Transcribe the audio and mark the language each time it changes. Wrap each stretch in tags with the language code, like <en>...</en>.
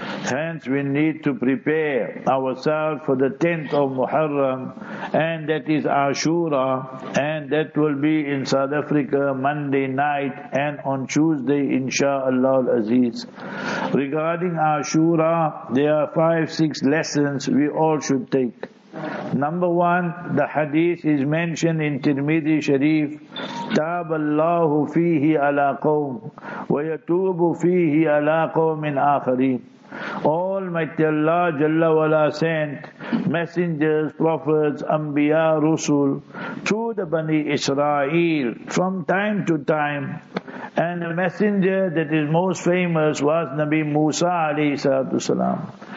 <en>Hence, we need to prepare ourselves for the 10th of Muharram, and that is Ashura, and that will be in South Africa Monday night and on Tuesday, inshallah al-Aziz. Regarding Ashura, there are 5-6 lessons we all should take. Number one, the hadith is mentioned in Tirmidhi Sharif,</en> <ar>تَابَ اللَّهُ فِيهِ عَلَىٰ قَوْمٍ وَيَتُوبُ فِيهِ عَلَىٰ قَوْمٍ آخَرِينَ.</ar> <en>Almighty Allah Jalla Wala sent messengers, prophets, anbiya, rusul to the Bani Israel from time to time. And the messenger that is most famous was Nabi Musa alayhi salatu salam.</en>